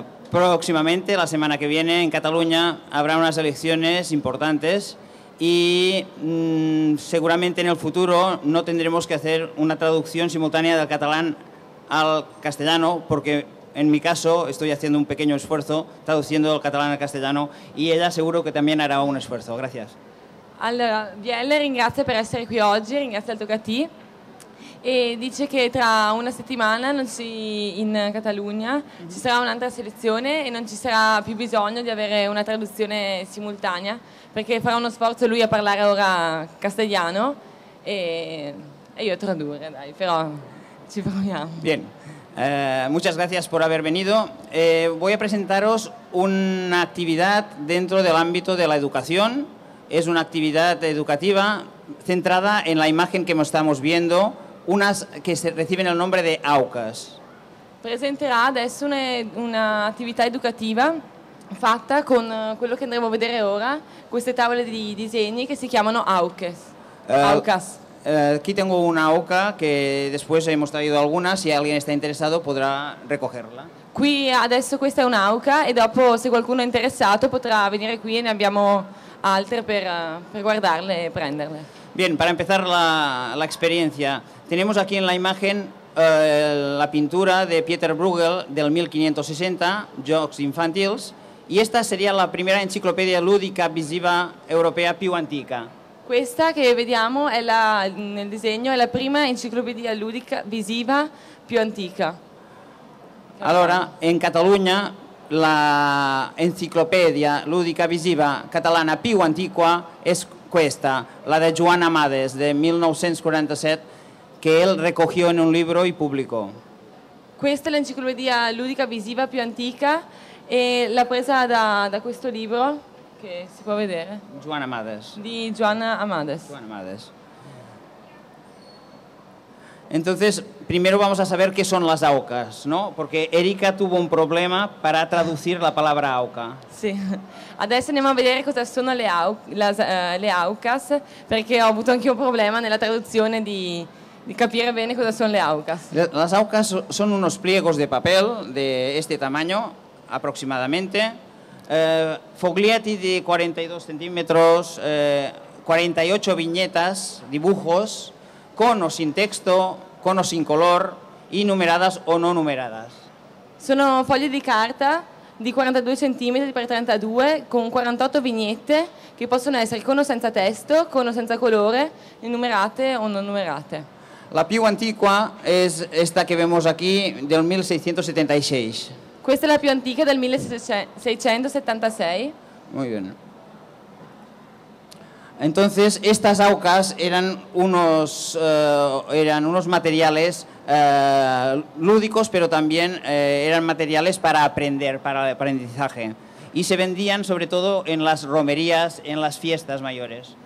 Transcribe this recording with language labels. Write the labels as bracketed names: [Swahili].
[Spanish] Próximamente, la semana que viene, en Cataluña habrá unas elecciones importantes y seguramente en el futuro no tendremos que hacer una traducción simultánea del catalán al castellano, porque en mi caso estoy haciendo un pequeño esfuerzo traduciendo del catalán al castellano y ella seguro que también hará un esfuerzo. Gracias. [Italian] Allora, Biel, ringrazio per essere qui oggi, ringrazio al Tocati. E dice che tra una settimana non ci, in Catalunya ci sarà un'altra selezione e non ci sarà più bisogno di avere una traduzione simultanea, perché farà uno sforzo lui a parlare ora castellano e io a tradurre, dai, però ci proviamo. [Spanish] Bien, muchas gracias por haber venido. Voy a presentaros una actividad dentro del ámbito de la educación. Es una actividad educativa centrada en la imagen que estamos viendo, unas que se reciben el nombre de AUCAS. [Italian] Presenterà adesso un'attività educativa fatta con quello che andremo a vedere ora, queste tavole di disegni che si chiamano AUCAS. [Spanish] Aquí tengo una AUCA que después hemos traído algunas, si alguien está interesado podrá recogerla. [Italian] Qui adesso questa è un'AUCA e dopo, se qualcuno è interessato, potrà venire qui e ne abbiamo altre per guardarle e prenderle. [Spanish] Bien, para empezar la experiencia, tenemos aquí en la imagen la pintura de Pieter Bruegel del 1560, Jocs Infantils, y esta sería la primera enciclopedia lúdica [Italian] visiva europea più antica. Questa che vediamo è la, nel disegno, è la prima enciclopedia lúdica visiva più antica. [Spanish] Allora, in Catalunya la enciclopedia lúdica [Italian] visiva catalana più antica è questa, [Spanish] la de Joan Amades de 1947, que él recogió en un libro y publicó. Esta es la enciclopedia lúdica visiva más antigua, la presa de este libro, que se puede ver. Joan Amades. De Joan Amades. Joan Amades. Entonces, primero vamos a saber qué son las AUCAS, ¿no? Porque Erika tuvo un problema para traducir la palabra AUCA. Sí. [Italian] Adesso andiamo a vedere cosa sono le AUCAS, perché ho avuto anche un problema nella traduzione di capire bene cosa sono le AUCAS. [Spanish] Las AUCAS son unos pliegos de papel de este tamaño, aproximadamente. Foglietti de 42 centímetros, 48 viñetas, dibujos, con o sin texto, con o sin color, y numeradas o no numeradas. [Italian] Sono foglie di carta di 42 centimetri per 32 con 48 vignette che possono essere con o senza testo, con o senza colore, numerate o non numerate. La più antica è questa che vediamo qui del 1676. Questa è la più antica del 1676. Molto bene. [Spanish] Entonces, estas AUCAS eran unos materiales lúdicos, pero también eran materiales para aprender, para el aprendizaje. Y se vendían sobre todo en las romerías, en las fiestas mayores.